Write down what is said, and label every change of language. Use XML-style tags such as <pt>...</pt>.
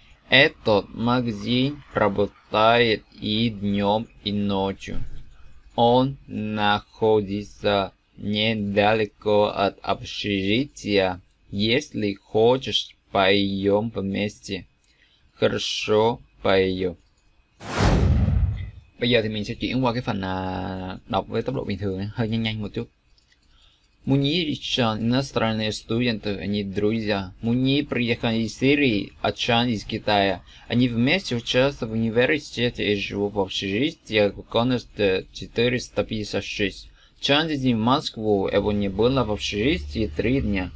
<ru>Этот магазин работает и днем, и ночью. Он находится недалеко от общежития. Если хочешь, пойдем вместе. Хорошо, пойдем.</ru> <vi>Bây giờ thì mình sẽ chuyển qua cái phần đọc với tốc độ bình thường, hơi nhanh nhanh một chút.</vi> <ru>Муни Ричан, иностранные студенты, они друзья. Муни приехал из Сирии, а Чан из Китая. Они вместе учатся в университете и живут в общежитии в комнате 456. Чан ездил в Москву, его не было в общежитии 3 дня.</ru>